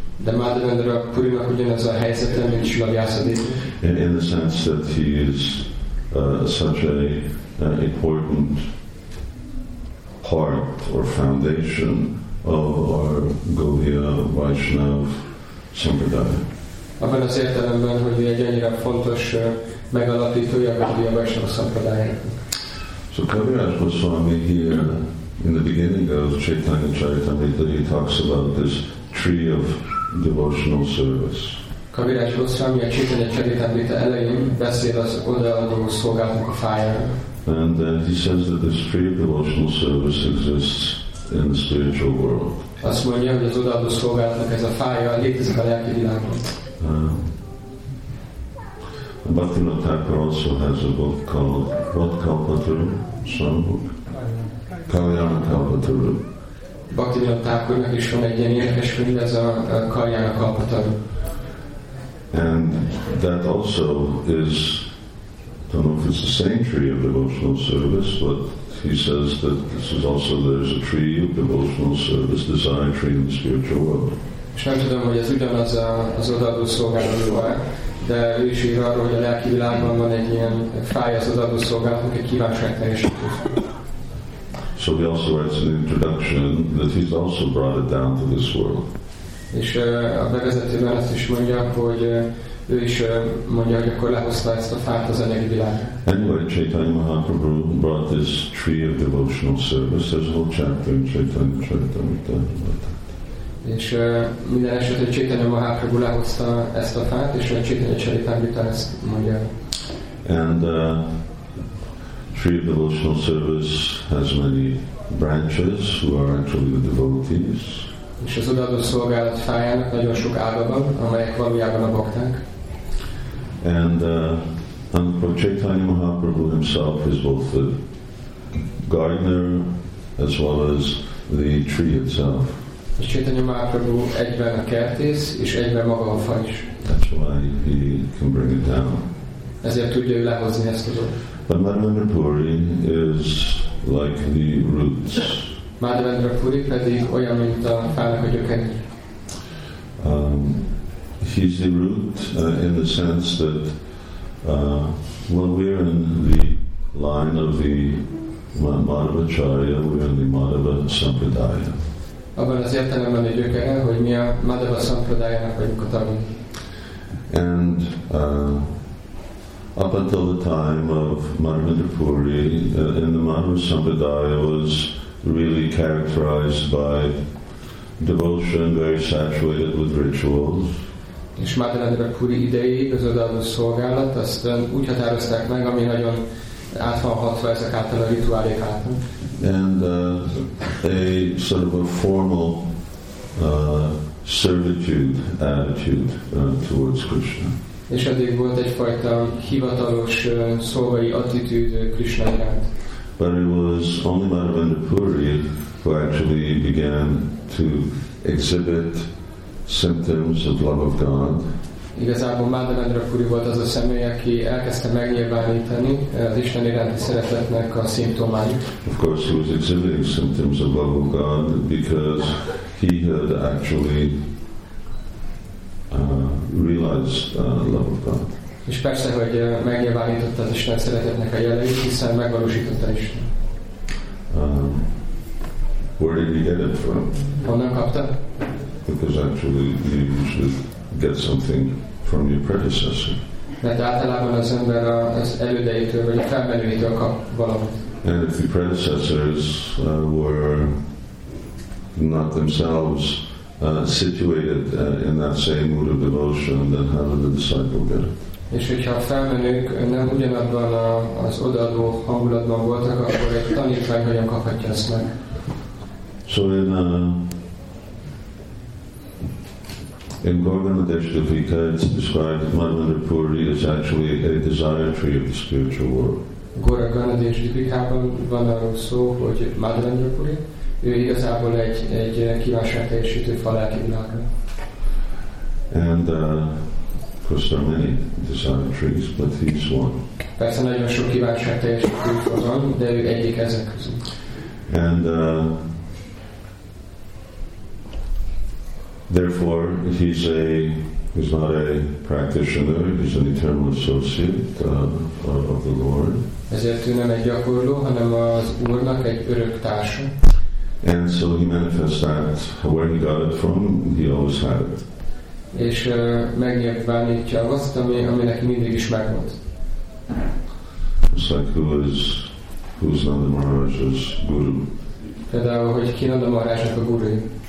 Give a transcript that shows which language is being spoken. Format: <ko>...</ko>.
<hu>De Madhavendra Purinak ugyanaz a helyzete, mint Srila Vyasadeva.</hu> <en>In the sense that he is such a important part or foundation of our Gaudiya Vaishnav Sampradaya.</en> <hu>Abban az értelemben, hogy egy annyira fontos megalapítója a Gaudiya Vaishnav Sampradaya.</hu> <en>So Kaviraj Goswami here, in the beginning of Chaitanya Charitamrita, he talks about this tree of devotional service.</en> <hu>Kabirács Gosvami a Chaitanya Charitamrita elején beszél az odaadó szolgálatnak a fájára.</hu> <en>And he says that the straight devotional service exists in the spiritual world.</en> <hu>Azt mondja, hogy az odaadó szolgálatnak ez a fája létezik a lelki világban.</hu> <en>Bhaktivinoda Thakur also has a book called What Kalpataru? Some book? Kalyana Kalpataru.</en> <hu>Bhaktivinoda Thakurnak is van egy ilyen érdekes könyv, ez a Kalyana Kalpataru.</hu> <en>And that also is, I don't know if it's the same tree of devotional service, but he says that this is also, there's a tree of devotional service, desire tree in the spiritual world.</en> <hu>És nem tudom, hogy ez ugyanaz az odaadó szolgálatról, de ő is ír arról, hogy a lelki világban van egy ilyen fáj az odaadó szolgálatnak, egy kívánság teljesítő.</hu> <en>So he also writes an introduction that he's also brought it down to this world.</en> <hu>És a bevezetőben azt is mondja, hogy ő is mondja, hogy akkor lehozta ezt a fát az anyagi világra.</hu> <en>Anyway, Chaitanya Mahaprabhu brought this tree of devotional service. There's a whole chapter in Chaitanya Charitamrita.</en> <hu>És minden esetben Chaitanya Mahaprabhu lehozta ezt a fát, és a Chaitanya Charitamrita ezt mondja.</hu> <en>And tree of devotional service has many branches who are actually the devotees.</en> <hu>És az odaadó szolgálat fájának nagyon sok ága van, amelyek valójában a bakták.</hu> <en>And Chaitanya Mahaprabhu himself is both the gardener as well as the tree itself.</en> <hu>És Chaitanya Mahaprabhu egyben a kertész, és egyben maga a fa is.</hu> <en>That's why he can bring it down.</en> <hu>Ezért tudja ő lehozni ezt az odaadó.</hu> <en>But Madhavendra Puri is like the roots.</en> <hu>Madhavendra Puri pedig olyan, mint a fának a gyökere.</hu> <en>He's the root in the sense that when we're in the line of the Madhavacharya, we're in the Madhava Sampradaya.</en> <hu>Abban az értelemben a gyökere, hogy mi a Madhava Sampradayának vagyunk a tagunk.</hu> <en>And up until the time of Madhavendra Puri, in the Madhava Sampradaya was really characterized by devotion, very saturated with rituals.</en> <hu>És Madhavendra Puri idejéig az odaadó szolgálat, azt úgy határozták meg, ami nagyon át van hatva ezek által a rituálék által.</hu> <en>And a sort of a formal servitude attitude towards Krishna.</en> <hu>És eddig volt egyfajta hivatalos szolgai attitűd Krishna iránt.</hu> <en>But it was only Madhavendra Puri who actually began to exhibit symptoms of love of God.</en> <hu>Igazából Madhavendra Puri volt az a személy, aki elkezdte megnyilvánítani az Isten iránti szeretetnek a szimptomáit.</hu> <en>Of course, he was exhibiting symptoms of love of God because he had actually realized love of God.</en> <hu>És persze, hogy megnyilvánította az Isten szeretetnek a jeleit, hiszen megvalósította Isten.</hu> <en>Where did he get it from?</en> <hu>Honnan kapta?</hu> <en>Because actually you should get something from your predecessor.</en> <hu>Mert általában az ember az elődeitől, vagy a felmenőitől kap valamit.</hu> <en>And if the predecessors were not themselves situated in that same mood of devotion, then how did the disciple get it?</en> <hu>És hogyha a felmenők nem ugyanabban az odaadó hangulatban voltak, akkor egy tanítvány hogyan kaphatja ezt meg?</hu> <en>So in Gorganadeshtavika it's described that Madhavendra Puri is actually a desire tree of the spiritual world.</en> <hu>Gorganadeshtavikában van arról szó, hogy Madhavendra Puri, ő igazából egy kívánság teljesítő fa lelki világra.</hu> <en>And of course, there are many desire trees, but he's one.</en> <hu>Persze nagyon sok kívánság teljesítő fa van, de ő egyik ezek közül.</hu> <en>And therefore, he's not a practitioner, he's an eternal associate of the Lord.</en> <hu>Ezért ő nem egy gyakorló, hanem az Úrnak egy örök társa.</hu> <en>And so he manifests that where he got it from, he always had it.</en> <hu>És megnyilvánítja azt, ami neki mindig is megvolt.</hu> <en>It's like who's Nanda Maharaj's guru.</en> <hu>Például, hogy ki Nanda Maharaj-nak a guru.</hu>